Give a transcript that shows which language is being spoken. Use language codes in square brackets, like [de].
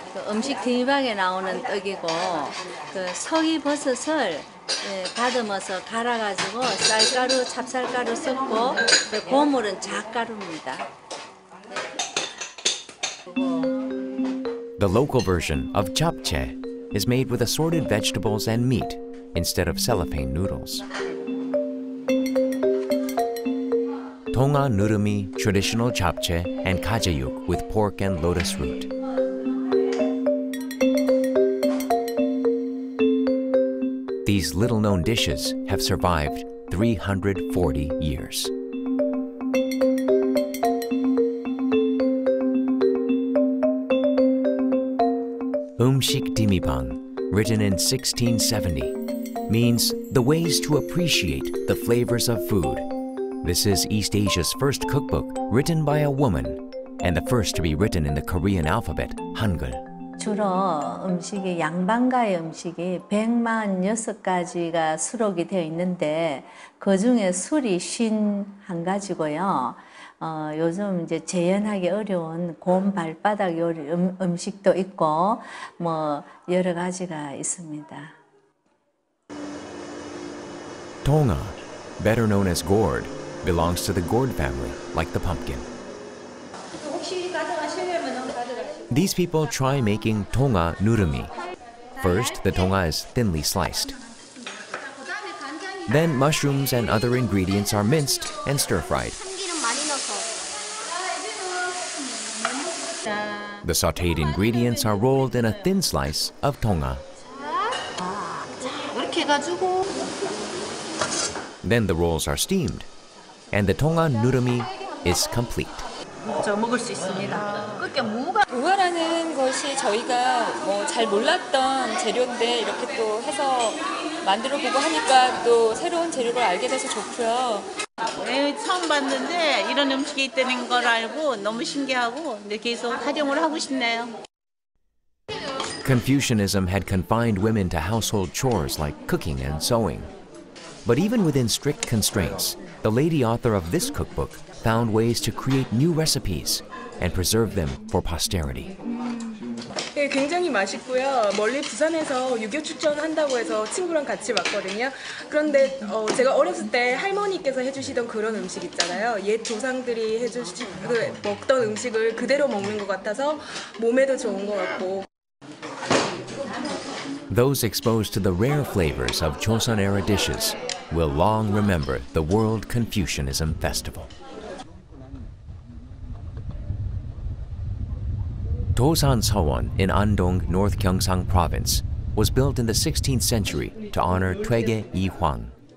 [ko] 음식 디미방에 나오는 떡이고 그 서귀버섯을 다듬어서 갈아가지고 쌀가루, 찹쌀가루 섞고 고물은 잣가루입니다. [en] The local version of japchae is made with assorted vegetables and meat instead of cellophane noodles. Tonga nurumi, traditional japchae, and kajayuk with pork and lotus root. These little-known dishes have survived 340 years. Umshik Dimipang, written in 1670, means the ways to appreciate the flavors of food. This is East Asia's first cookbook written by a woman and the first to be written in the Korean alphabet, Hangul. [ko] 주로 음식이 양반가의 음식이 146가지가 수록이 되어 있는데 그 중에 술이 51가지고요. 요즘 이제 재현하기 어려운 곰 발바닥 요리 음식도 있고 뭐 여러 가지가 있습니다. [en] Tonga, better known as gourd, belongs to the gourd family, like the pumpkin. These people try making tonga nurumi. First, the tonga is thinly sliced. Then mushrooms and other ingredients are minced and stir-fried. The sautéed ingredients are rolled in a thin slice of tonga. Then the rolls are steamed, and the tonga nurumi is complete. [ko] 저 먹을 수 있습니다. 그게 무가 무가라는 것이 저희가 뭐 잘 몰랐던 재료인데 이렇게 또 해서 만들어 보고 하니까 또 새로운 재료를 알게 돼서 좋고요. 네, 처음 봤는데 이런 음식이 있다는 걸 알고 너무 신기하고 근데 계속 활용을 하고 싶네요. [en] Confucianism had confined women to household chores like cooking and sewing. But even within strict constraints, the lady author of this cookbook found ways to create new recipes and preserve them for posterity. [ko] 네, 굉장히 맛있고요. 멀리 부산에서 유교 추천한다고 해서 친구랑 같이 왔거든요. 그런데 제가 어렸을 때 할머니께서 해주시던 그런 음식 있잖아요. 옛 조상들이 먹던 음식을 그대로 먹는 것 같아서 몸에도 좋은 것 같고. [en] Those exposed to the rare flavors of Joseon era dishes will long remember the World Confucianism Festival. Joseon Seowon in Andong, North Gyeongsang Province, was built in the 16th century to honor Twege Yi Huang.